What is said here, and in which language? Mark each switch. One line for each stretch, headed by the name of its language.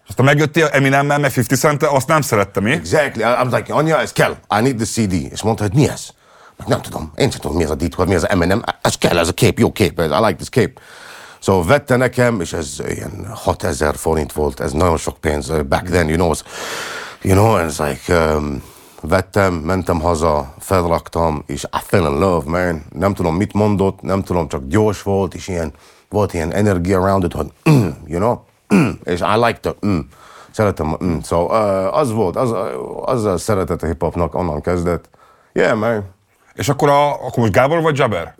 Hungarian: Aztán megjöttél Eminemmel, mert 50 Cent, azt nem szerette, mi?
English: Exactly, I'm like,
Hungarian: anyja, ez kell,
English: I need the CD,
Hungarian: és mondta, hogy mi ez? Nem tudom, én sem tudom, mi ez a D12, mi ez a M&M, ez kell, ez a kép, jó kép,
English: I like this
Hungarian: kép. So vette nekem, és ez ilyen 6000 forint volt, ez nagyon sok pénz
English: back then, you know. You know, and it's like,
Hungarian: vettem, mentem haza, felraktam, és
English: I fell in love, man.
Hungarian: Nem tudom, mit mondott, nem tudom, csak gyors volt, és ilyen, volt ilyen
English: energy around it,
Hungarian: hogy,
English: you know,
Hungarian: és
English: I like the,
Hungarian: szeretem, So az volt, az a szeretet a hip-hopnak onnan kezdett, yeah, man. És akkor most Gábor vagy Jaber?